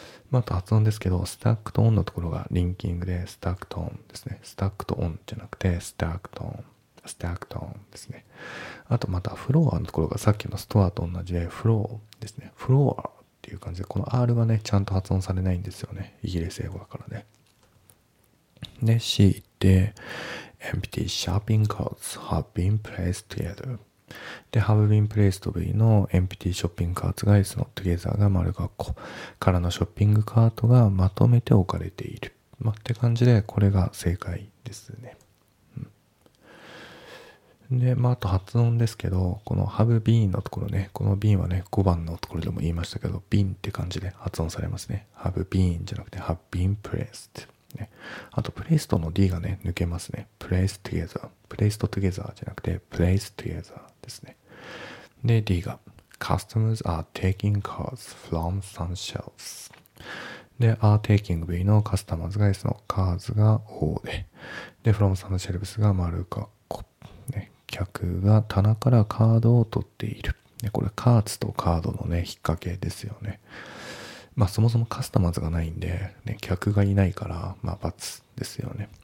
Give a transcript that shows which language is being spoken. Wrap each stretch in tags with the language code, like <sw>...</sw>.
<ja>まああと発音ですけど、スタックとオンのところがリンキングでスタックとオンですね。スタックとオンじゃなくてスタックとオン、スタックとオンですね。あとまたフロアのところがさっきのストアと同じでフローですね。フロアっていう感じで、この R がねちゃんと発音されないんですよね、イギリス英語だからね。で C って</ja> <en>Empty shopping carts have been placed together.</en> <ja>で、</ja> <en>have been placed</en> <ja>V の</ja> <en>Empty shopping carts</en> <ja>が S の together が丸括弧からのショッピングカートがまとめて置かれている。まあ、って感じで、これが正解ですね。で、まあ、あと発音ですけど、この</ja> <en>have been</en> <ja>のところね、この been はね、5番のところでも言いましたけど、been って感じで発音されますね。</ja> <en>have been</en> <ja>じゃなくて</ja> <en>have been placed。</en> <ja>ね、あとプレイストの D がね抜けますね。プレイストゥゲザー、プレイストゥゲザーじゃなくてプレイストゥゲザーですね。で D が</ja> <en>Customers are taking cards from some shelves。</en> <ja>で</ja> <en>Are taking</en> <ja>V の Customers が S の Cards が O で、で</ja> <en>From some shelves</en> <ja>が丸括弧、ね、客が棚からカードを取っている。でこれ Cards とカードのね引っ掛けですよね。まあそもそもカスタマーズがないんで、ね、客がいないから、まあ×ですよね。</ja>